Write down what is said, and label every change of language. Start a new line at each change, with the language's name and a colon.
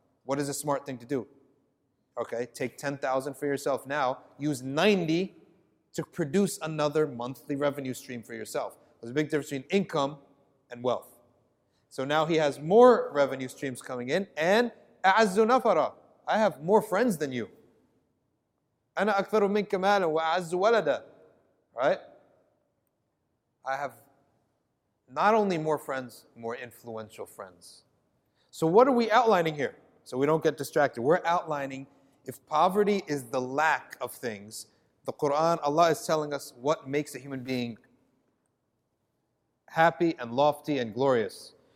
English: What is a smart thing to do? Okay, take 10,000 for yourself now, use 90 to produce another monthly revenue stream for yourself. There's a big difference between income and wealth. So now he has more revenue streams coming in, and
Arabic: أَعَزُّ نَفَرًا
English: I have more friends than you.
Arabic: أَنَا أَكْثَرُ مِنْكَ مَالًا وَأَعَزُّ وَلَدًا
English: Right? I have not only more friends, more influential friends. So what are we outlining here? So we don't get distracted. We're outlining, if poverty is the lack of things, the Quran, Allah is telling us what makes a human being happy and lofty and glorious.